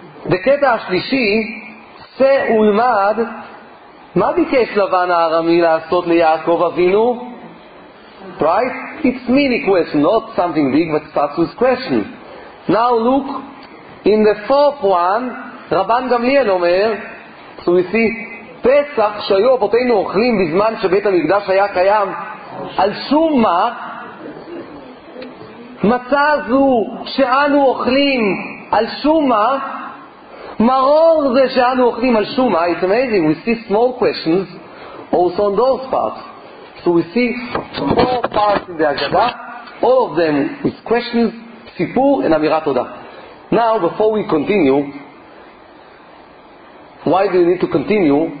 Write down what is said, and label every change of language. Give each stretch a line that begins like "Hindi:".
Hebrew: The keta shlishi, tse ulmad, מה ביקש לבן הארמי לעשות ליעקב אבינו?
English: Right? It's mini question, not something big, but starts with question. Now look,
Hebrew: in the fourth one, רבן גמליאל אומר,
English: so we see,
Hebrew: פסח שהיו אבותינו אוכלים בזמן שבית המקדש היה קיים, על שום מה, מצא זו שאנו אוכלים, על שום מה, מרור זה שאנו אוכלים על שום מה.
English: It's amazing, we see small questions also on those parts. So we see four parts in the Agada, all of them with questions, סיפור and אמירת תודה. Now before we continue, why do you need to continue?